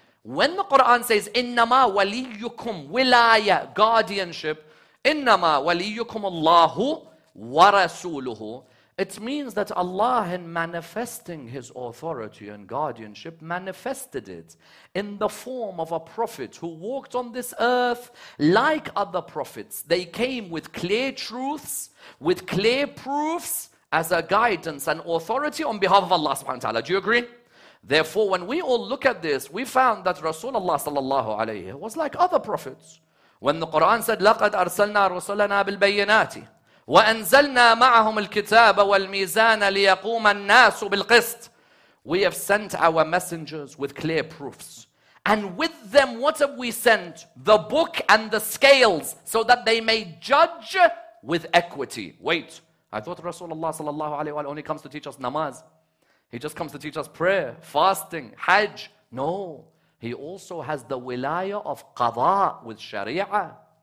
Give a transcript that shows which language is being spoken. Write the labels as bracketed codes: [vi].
[en] When the Quran says, innama waliyukum wilaya, guardianship, [ar] innama waliyukum Allahu wa rasuluhu, [en] it means that Allah, in manifesting His authority and guardianship, manifested it in the form of a prophet who walked on this earth like other prophets. They came with clear truths, with clear proofs as a guidance and authority on behalf of Allah subhanahu wa ta'ala. Do you agree? Therefore, when we all look at this, we found that Rasulullah sallallahu alayhi was like other prophets. When the Quran said, [ar] لَقَدْ أَرْسَلْنَا رُسُلَنَا بِالْبَيِّنَاتِ وَأَنزَلْنَا مَعَهُمُ الْكِتَابَ وَالْمِيزَانَ لِيَقُومَ النَّاسُ بِالْقِسْطِ. [en] We have sent our messengers with clear proofs. And with them, what have we sent? The book and the scales, so that they may judge with equity. Wait, I thought Rasulullah sallallahu alayhi wa sallam only comes to teach us namaz. He just comes to teach us prayer, fasting, hajj. No, he also has the wilayah of qada with sharia.